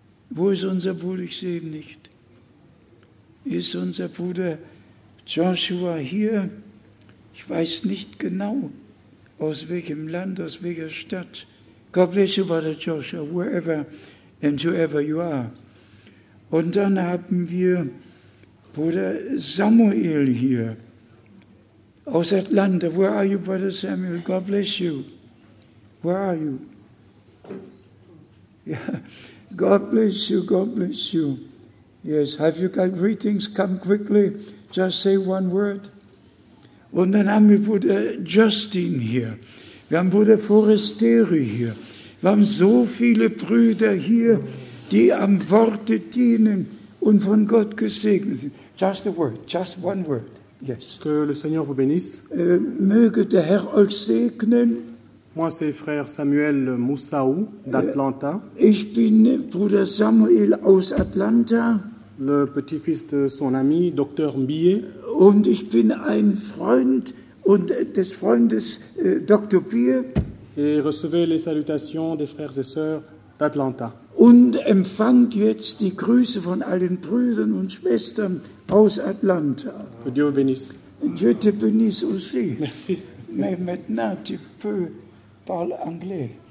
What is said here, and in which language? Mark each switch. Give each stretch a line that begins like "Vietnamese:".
German: Wo ist unser Bruder? Ich sehe ihn nicht. Ist unser Bruder Joshua hier? Ich weiß nicht genau, aus welchem Land, aus welcher Stadt.
English: God bless you, Brother Joshua, wherever and whoever you are.
German: Und dann haben wir Bruder Samuel hier. Aus Atlanta,
English: where are you, Brother Samuel? God bless you. Where are you? Yeah. God bless you, God bless you. Yes, have you got greetings? Come quickly, just say one word.
German: Und dann haben wir Bruder Justin hier. Wir haben Bruder Forestieri hier. Wir haben so viele Brüder hier, die am Worte dienen und von Gott gesegnet sind.
English: Just a word, just one word. Yes.
French: Que le Seigneur vous bénisse.
German: Möge der Herr euch segnen.
French: Moi, c'est frère Samuel Moussaou d'Atlanta.
German: Ich bin Bruder Samuel aus Atlanta.
French: Le petit-fils de son ami, Dr. Mbie.
German: Und ich bin ein Freund und des Freundes Dr. Mbie.
French: Et recevez les salutations des frères et sœurs d'Atlanta.
German: Und empfangt jetzt die Grüße von allen Brüdern und Schwestern aus Atlanta.
French: Que Dieu bénisse. Dieu te bénisse aussi. Merci. Mais maintenant, tu peux parler anglais.